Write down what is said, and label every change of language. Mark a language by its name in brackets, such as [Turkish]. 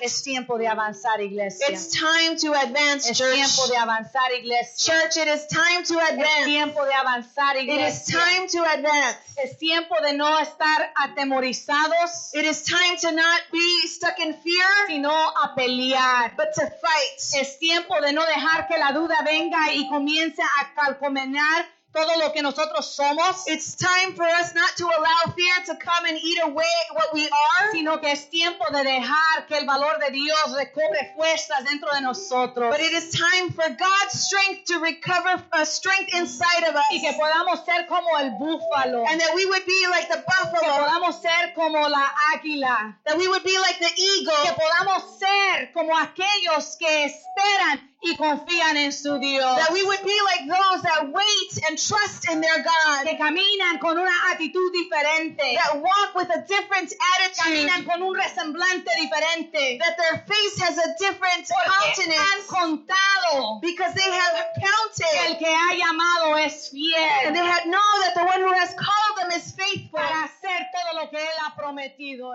[Spanish] Es tiempo de avanzar, iglesia. [English] It's time to advance, [Spanish] es [English] church. [Spanish] Es tiempo de avanzar, iglesia. [English] Church, it is time to advance. [Spanish] Es tiempo de avanzar, iglesia. [English] It is time to advance. [Spanish] Es tiempo de no estar atemorizados. [English] It is time to not be stuck in fear, [Spanish] sino a pelear, [English] but to fight. [Spanish] Es tiempo de no dejar que la duda venga y comience a calcomanar todo lo que nosotros somos. [English] It's time for us not to allow fear to come and eat away what we are, [Spanish] sino que es tiempo de dejar que el valor de Dios recobre fuerzas dentro de nosotros. [English] But it is time for God's strength to recover a strength inside of us, [Spanish] y que podamos ser como el búfalo, [English] and that we would be like the buffalo, [Spanish] que podamos ser como la águila, [English] that we would be like the eagle, [Spanish] que podamos ser como aquellos que esperan y confían en su Dios. [English] That we would be like those that wait and trust in their God. [Spanish] Que caminan con una actitud diferente. [English] That walk with a different attitude. [Spanish] Caminan con un resemblante diferente. [English] That their face has a different countenance. [Spanish] Han contado. [English] Because they have counted. [Spanish] El que ha llamado es fiel. [English] And they have known that the one who has called them is faithful. [Spanish] Para hacer todo lo que él ha prometido.